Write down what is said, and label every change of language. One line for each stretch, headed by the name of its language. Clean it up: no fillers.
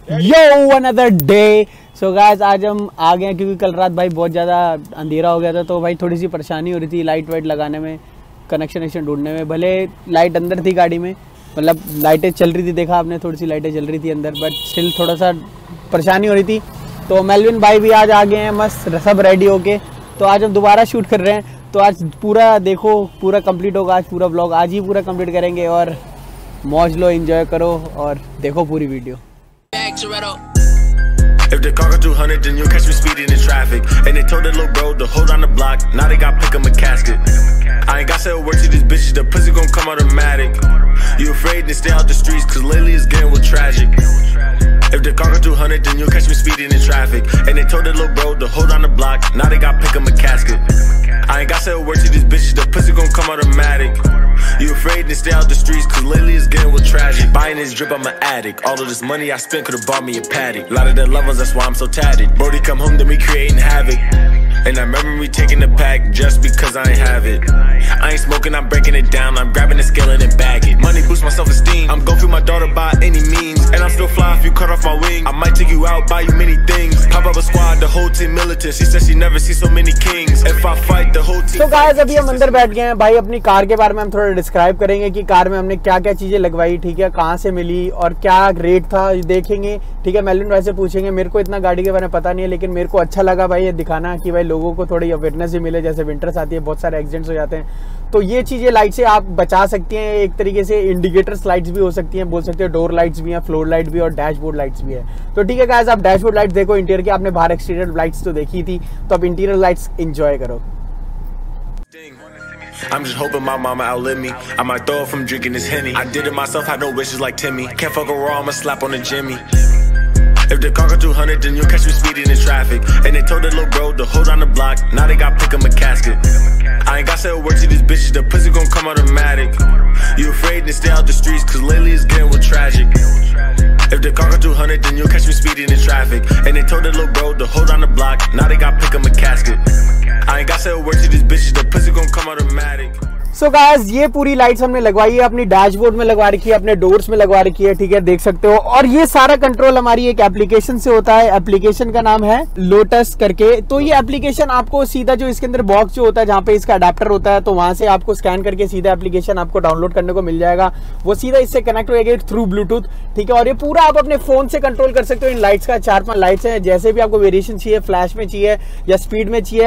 English: Yo, another day.
Hindi: So guys, आज हम आ गए, क्योंकि कल रात भाई बहुत ज़्यादा अंधेरा हो गया था, तो भाई थोड़ी सी परेशानी हो रही थी लाइट वाइट लगाने में, कनेक्शन वेक्शन ढूंढने में, भले लाइट अंदर थी गाड़ी में, मतलब लाइटें चल रही थी, देखा आपने थोड़ी सी लाइटें चल रही थी अंदर, बट स्टिल थोड़ा सा परेशानी हो रही थी। तो मेलविन भाई भी आज आ गए हैं मस्त, सब रेडी हो के, तो आज हम दोबारा शूट कर रहे हैं, तो आज पूरा देखो, पूरा कंप्लीट होगा आज, पूरा व्लॉग आज ही पूरा कंप्लीट करेंगे, और मौज लो, एंजॉय करो, और देखो पूरी video.
English: If the car got 200, then you'll catch me speeding in traffic. And they told that little bro to hold on the block. Now they got pick him a casket. I ain't got said a word to these bitches. The pussy gon' come automatic. You afraid to stay out the streets? Cause lately it's getting real tragic. If the car got 200, then you'll catch me speeding in traffic. And they told that little bro to hold on the block. Now they got pick him a casket. I ain't got said a word to these bitches. The pussy gon' come automatic. You afraid to stay out the streets, cause lately it's getting real tragic. Buying this drip, I'm an addict. All of this money I spent could've bought me a paddock. A lot of their lovers, that's why I'm so tatted. Brody come home, then we creating havoc. And I remember me taking the pack just because I ain't have it. I ain't smoking, I'm breaking it down. I'm grabbing the scale and bag it. Money boosts my self-esteem. I'm going through my daughter by any means. And I'm still fly if you cut off my wing. I might take you out, buy you many things. Pop up a squad, the whole team militant. She says she never see so many kings. If I fight, the whole team. So guys,
Hindi: अभी हम अंदर बैठ गए हैं भाई, अपनी car के बारे में हम थोड़ा डिस्क्राइब करेंगे कि कार में हमने क्या क्या चीजें लगवाई, ठीक है, कहाँ से मिली और क्या रेट था, देखेंगे, ठीक है। मेलविन भाई से पूछेंगे, मेरे को इतना गाड़ी के बारे में पता नहीं है, लेकिन मेरे को अच्छा लगा भाई ये दिखाना कि भाई लोगों को थोड़ी अवेयरनेस भी मिले, जैसे विंटर्स आती है बहुत सारे एक्सीडेंट्स हो जाते हैं, तो ये चीजें लाइट से आप बचा सकती हैं, एक तरीके से इंडिकेटर्स लाइट्स भी हो सकती हैं, बोल सकते हैं डोर लाइट्स भी हैं, फ्लोर लाइट भी, और डैशबोर्ड लाइट्स भी है। तो ठीक है गाइस, आप डैशबोर्ड लाइट्स देखो इंटीरियर की, आपने बाहर एक्सटीरियर लाइट्स तो देखी थी, तो आप इंटीरियर लाइट्स एंजॉय करो।
English: I'm just hoping my mama outlive me. I might throw up from drinking this Henny. I did it myself, had no wishes like Timmy. Can't fuck a raw, I'ma slap on a Jimmy. If the car got 200, then you'll catch me speeding in traffic. And they told that little bro to hold on the block. Now they got pick him a casket. I ain't got said a word to these bitches. The pussy gon' come automatic. You afraid to stay out the streets? Cause lately it's getting real tragic. If the car got 200, then you'll catch me speeding in traffic. And they told that little bro to hold on the block. Now they got pick him a casket. I ain't got said a word to these bitches. The pussy gon' come automatic.
Hindi: So guys ये पूरी lights हमने लगवाई है, अपनी dashboard में लगवा रखी है, अपने डोर्स में लगवा रखी है, ठीक है, देख सकते हो। और ये सारा कंट्रोल हमारी एक एप्लीकेशन से होता है, एप्लीकेशन का नाम है लोटस करके। तो ये एप्लीकेशन आपको सीधा जो इसके अंदर बॉक्स जो होता है जहां पे इसका अडैप्टर होता है, तो वहां से आपको स्कैन करके सीधा एप्लीकेशन आपको डाउनलोड करने को मिल जाएगा, वो सीधा इससे कनेक्ट होगा थ्रू ब्लूटूथ, ठीक है। और ये पूरा आप अपने फोन से कंट्रोल कर सकते हो। इन लाइट्स का चार पांच लाइट्स है, जैसे भी आपको वेरिएशन चाहिए, फ्लैश में चाहिए या स्पीड में चाहिए।